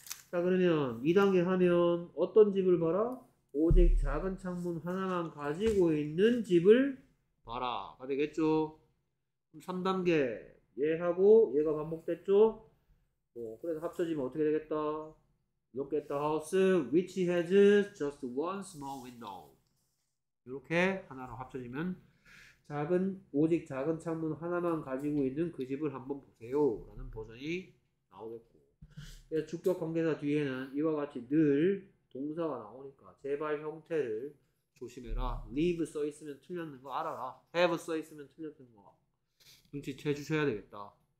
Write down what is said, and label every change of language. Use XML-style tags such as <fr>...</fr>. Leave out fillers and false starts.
<ko>자, 그러면 2단계 하면 어떤 집을 봐라? 오직 작은 창문 하나만 가지고 있는 집을 봐라. 가 되겠죠? 3단계. 얘하고 얘가 반복됐죠? 뭐, 그래서 합쳐지면 어떻게 되겠다?</ko> <en>Look at the house which has just one small window.</en> <ko>이렇게 하나로 합쳐지면 작은 오직 작은 창문 하나만 가지고 있는 그 집을 한번 보세요라는 버전이 나오겠고, 주격 관계사 뒤에는 이와 같이 늘 동사가 나오니까 제발 형태를 조심해라. leave 써 있으면 틀렸는 거 알아라. have 써 있으면 틀렸는 거 눈치채 주셔야 되겠다.</ko>